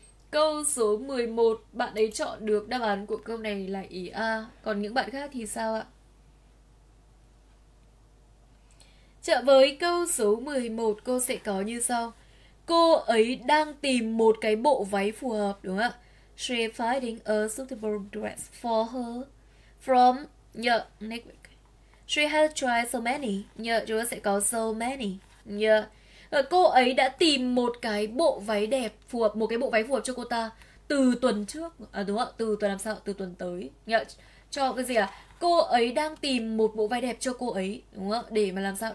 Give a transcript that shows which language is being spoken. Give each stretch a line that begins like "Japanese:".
Vietnamese: Câu số 11 bạn ấy chọn được đáp án của câu này là ý A, còn những bạn khác thì sao ạ? Chợ với câu số 11 cô sẽ có như sau. Cô ấy đang tìm một cái bộ váy phù hợp, đúng không ạ?
English: She finding a suitable dress for her from next week. She has tried so many.
Vietnamese: Chúng ta sẽ có
English: so many.
Vietnamese: Cô ấy đã tìm một cái bộ váy đẹp phù hợp, một cái bộ váy phù hợp cho cô ta từ tuần trước, à, đúng không ạ? Từ tuần làm sao? Từ tuần tới. Cho cái gì ạ? À? Cô ấy đang tìm một bộ váy đẹp cho cô ấy, đúng không? Để mà làm sao?